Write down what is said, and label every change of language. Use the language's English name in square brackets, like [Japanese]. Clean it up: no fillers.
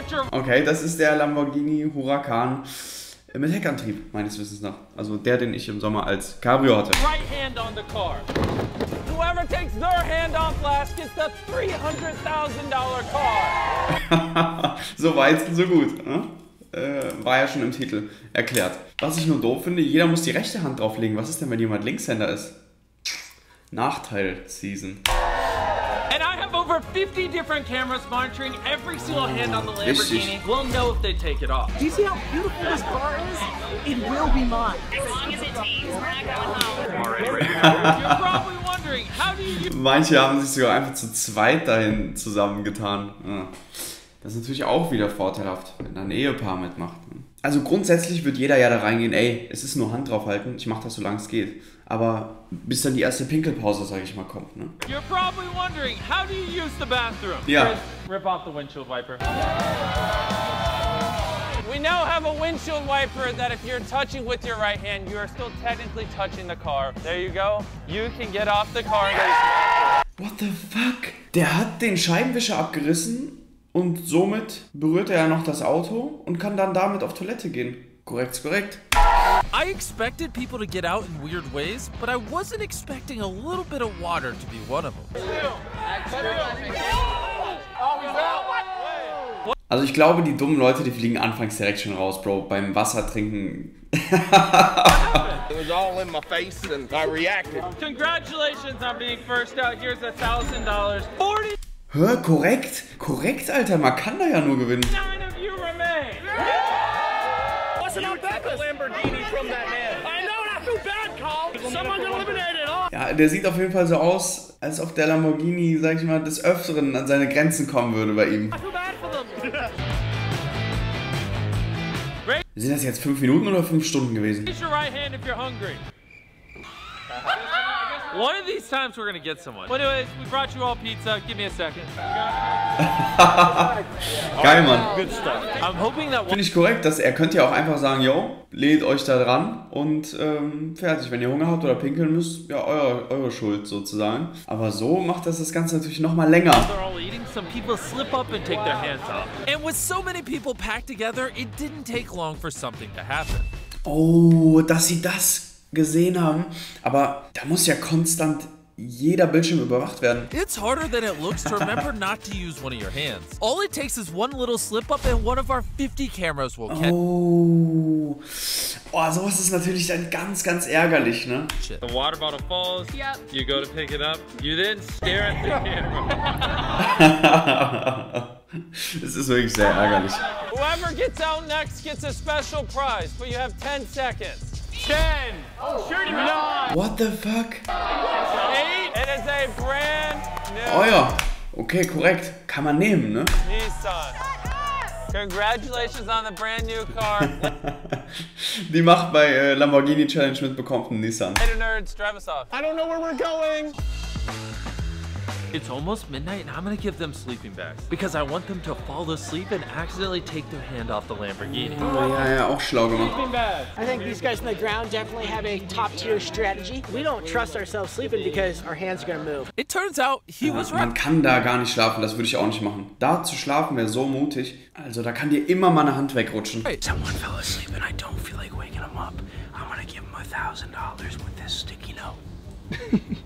[German] Okay, das ist der Lamborghini Huracan. Mit Heckantrieb, meines Wissens nach. Also der, den ich im Sommer als Cabrio hatte. [English] Right hand on the car. Whoever takes their hand off last gets the $300,000 car. [German] So weit, so gut. War ja schon im Titel erklärt. Was ich nur doof finde, jeder muss die rechte Hand drauflegen. Was ist denn, wenn jemand Linkshänder ist? Nachteil-Season. [English] And I have over 50 different cameras monitoring every single hand on the Lamborghini. We'll know if they take it off. Do you see how beautiful this car is? It will be mine. As long as it takes, we're not going home. You're probably wondering, how do you... [German] Manche haben sich sogar einfach zu zweit dahin zusammengetan. Das ist natürlich auch wieder vorteilhaft, wenn ein Ehepaar mitmacht. Also grundsätzlich wird jeder ja da reingehen, ey, es ist nur Hand draufhalten, ich mach das, solange es geht. Aber bis dann die erste Pinkelpause, sag ich mal, kommt, ne? [English] You're probably wondering, how do you use the bathroom? Ja. Rip off the windshield wiper. We now have a windshield wiper that if you're touching with your right hand, you are still technically touching the car. There you go. You can get off the car. What the fuck? [German] Der hat den Scheibenwischer abgerissen? Und somit berührt er ja noch das Auto und kann dann damit auf Toilette gehen. Korrekt, korrekt. [English] I expected people to get out in weird ways, but I wasn't expecting a little bit of water to be one of them. [German] Also ich glaube, die dummen Leute, die fliegen anfangs direkt schon raus, Bro, beim Wasser trinken. [English] It was all in my face and I reacted. Congratulations on being first out. Here's $1,000. [German] Hä? Korrekt? Korrekt, Alter, man kann da ja nur gewinnen. [English] Nine of you remain. What's an Alpacus? Lamborghini from that man. I know, that's too bad, Carl. Someone eliminated all. [German] Ja, der sieht auf jeden Fall so aus, als ob der Lamborghini, sag ich mal, des Öfteren an seine Grenzen kommen würde bei ihm. Sind das jetzt 5 Minuten oder 5 Stunden gewesen? [English] Raise your right hand if you're hungry. One of these times we're gonna get someone. But anyways, we brought you all pizza. Give me a second. [German] Geil, Mann. [English] Good stuff. I'm hoping that. [German] Finde ich korrekt, dass er könnte ja auch einfach sagen, yo, lehnt euch da dran und fertig. Wenn ihr Hunger habt oder pinkeln müsst, ja, eure Schuld sozusagen. Aber so macht das das Ganze natürlich noch mal länger. [English] Some people slip up and take their hands off. And with so many people packed together, it didn't take long for something to happen. [German] Oh, dass sie das gesehen haben, aber da muss ja konstant jeder Bildschirm überwacht werden. [English] It's harder than it looks to remember not to use one of your hands. All it takes is one little slip up and one of our 50 cameras will catch. [German] Oh, sowas ist natürlich dann ganz, ganz ärgerlich, ne? [English] The water bottle falls. Yep. You go to pick it up. You then stare at the camera. [German] Es ist wirklich sehr ärgerlich. [English] Whoever gets out next gets a special prize, but you have 10 seconds. 10, 9, what the fuck? 8, it is a brand new. [German] Oh ja, okay, korrekt. Kann man nehmen, ne? Nissan. [English] Congratulations on the brand new car. [German] Die macht bei Lamborghini Challenge mitbekommt einen Nissan. [English] Hey, nerds, drive us off. I don't know where we're going. It's almost midnight and I'm gonna give them sleeping bags. Because I want them to fall asleep and accidentally take their hand off the Lamborghini. [German] Oh, ja, ja, auch schlau gemacht. [English] I think these guys on the ground definitely have a top tier strategy. We don't trust ourselves sleeping because our hands are gonna move. It turns out he was right. [German] Man kann da gar nicht schlafen, das würde ich auch nicht machen. Da zu schlafen wäre so mutig. Also da kann dir immer meine Hand wegrutschen. [English] Someone fell asleep and I don't feel like waking him up. I'm gonna give him $1,000 with this sticky note.